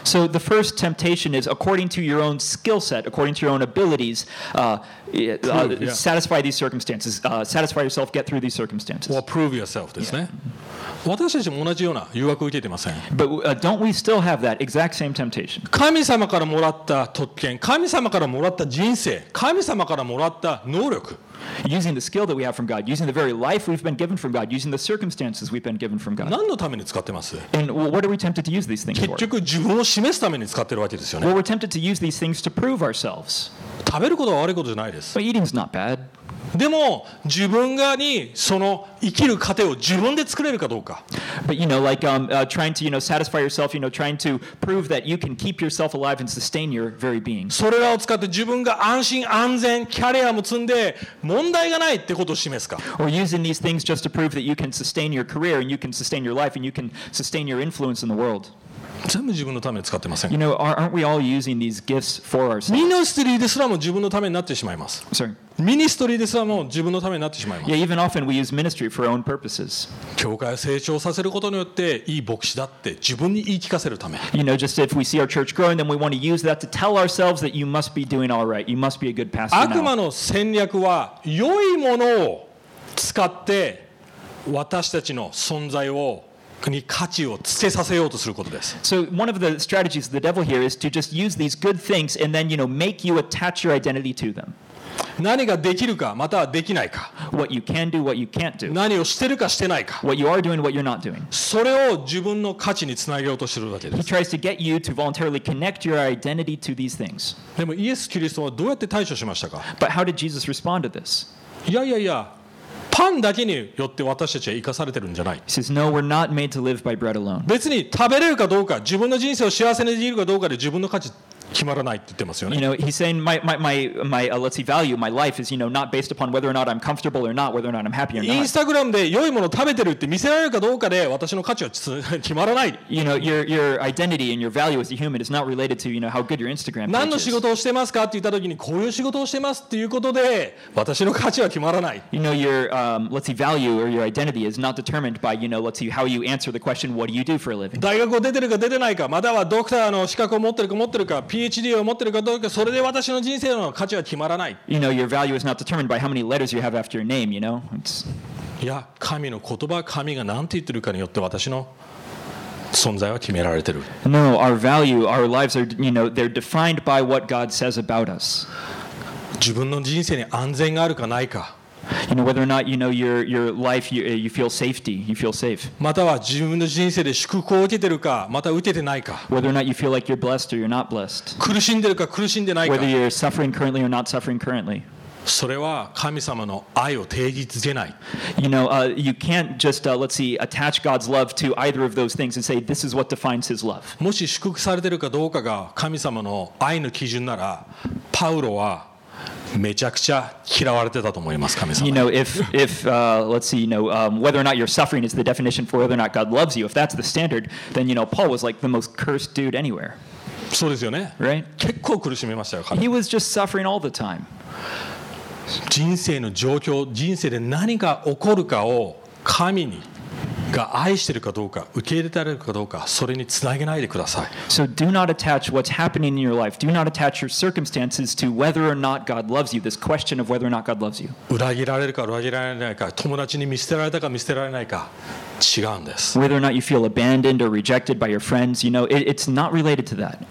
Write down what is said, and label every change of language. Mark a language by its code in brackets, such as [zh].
[en] So the first temptation is according to your own skill set, according to your own abilities, satisfy these circumstances, satisfy yourself, get through these circumstances. Well, prove yourself [ja] ですね。私たちも同じような誘惑を受けていません。 [en] But don't we still have that exact same temptation? [ja] 神様からもらった特権、神様からもらった人生、神様からもらった能力。 [en] Using the skill that we have from God, using the very life we've been given from God, using the circumstances we've been given from God. [ja] 何のために使ってます? [en] And what are we tempted to use these things for? [ja] 結局自分を示すために使ってるわけですよね。 [en] Well, we're tempted to use these things to prove ourselves. [ja] 食べることは悪いことじゃないです。 [en] But eating's not bad. [ja] でも自分がにその生きる糧を自分で作れるかどうか。 [en] But you know, like trying to, you know, satisfy yourself, you know, trying to prove that you can keep yourself alive and sustain your very being. [ja] それらを使って自分が安心安全キャリアも積んで問題がないってことを示すか。 [en] Or using these things just to prove that you can sustain your career and you can sustain your life and you can sustain your influence in the world. [ja] 全部自分のために使ってません。 [en] You know, aren't we all using these gifts for ourselves? [ja] ミニストリーですらも自分のためになってしまいます。 [en] Sorry. [ja] ミニストリーですらも自分のためになってしまいます。 [en] Yeah, even often we use ministry for our own purposes. [ja] 教会を成長させることによっていい牧師だって自分に言い聞かせるため。 [en] You know, just if we see our church growing, then we want to use that to tell ourselves that you must be doing all right. You must be a good pastor now. [ja] 悪魔の戦略は良いものを使って私たちの存在を国価値をつけさせようとすることです。 [en] So one of the strategies of the devil here is to just use these good things and then, you know, make you attach your identity to them. [ja] 何ができるかまたはできないか。 [en] What you can do, what you can't do. [ja] 何をしてるかしてないか。 [en] What you are doing, what you're not doing. [ja] それを自分の価値につなげようとするだけです。 [en] He tries to get you to voluntarily connect your identity to these things. [ja] でもイエス・キリストはどうやって対処しましたか。 [en] But how did Jesus respond to this? [ja] いやいやいや。パンだけによって私たちは生かされてるんじゃない。 [en] He says, no, we're not made to live by bread alone. [ja] 別に食べれるかどうか、自分の人生を幸せにできるかどうかで自分の価値決まらないって言ってますよね。 [en] You know, he's saying my value, my life is, you know, not based upon whether or not I'm comfortable or not, whether or not I'm happy or not. [ja] Instagram で良いものを食べてるって見せられるかどうかで私の価値は決まらない。 [en] You know, your identity and your value as a human is not related to, you know, how good your Instagram page is. [ja] 何の仕事をしてますかって言った時にこういう仕事をしてますっていうことで私の価値は決まらない。 [en] You know, your value or your identity is not determined by, you know, how you answer the question, what do you do for a living? [ja] 大学を出てるか出てないか、またはドクターの資格を持ってるか持ってるか、PhD を持ってるかどうか、それで私の人生の価値は決まらない。 [en] You know, your value is not determined by how many letters you have after your name, you know? [ja] いや、神の言葉、神が何て言ってるかによって私の存在は決められてる。 [en] No, our value, our lives are, you know, they're defined by what God says about us. [ja] 自分の人生に安全があるかないか。 [en] You know, whether or not you know your life, you feel safety, you feel safe. [ja] または自分の人生で祝福を受けてるか、また受けてないか。 [en] Whether or not you feel like you're blessed or you're not blessed. [ja] 苦しんでるか苦しんでないか。 [en] Whether you're suffering currently or not suffering currently. [ja] それは神様の愛を定義づけない。 [en] You know, you can't just, let's see, attach God's love to either of those things and say, this is what defines his love. [ja] もし祝福されているかどうかが神様の愛の基準なら、パウロはめちゃくちゃ嫌われてたと思います、神様。 [en] You know, if let's see, you know, whether or not your suffering is the definition for whether or not God loves you, if that's the standard, then, you know, Paul was like the most cursed dude anywhere. [ja] そうですよね。 [en] Right? [ja] 結構苦しみましたよ、彼。 [en] He was just suffering all the time. [ja] 人生の状況、人生で何が起こるかを神にが愛しているかどうか、受け入れられるかどうか、それにつなげないでください。 [en] So do not attach what's happening in your life. Do not attach your circumstances to whether or not God loves you. This question of whether or not God loves you. [ja] 裏切られるか裏切られないか、友達に見捨てられたか見捨てられないか、違うんです。 [en] Whether or not you feel abandoned or rejected by your friends, you know, it's not related to that.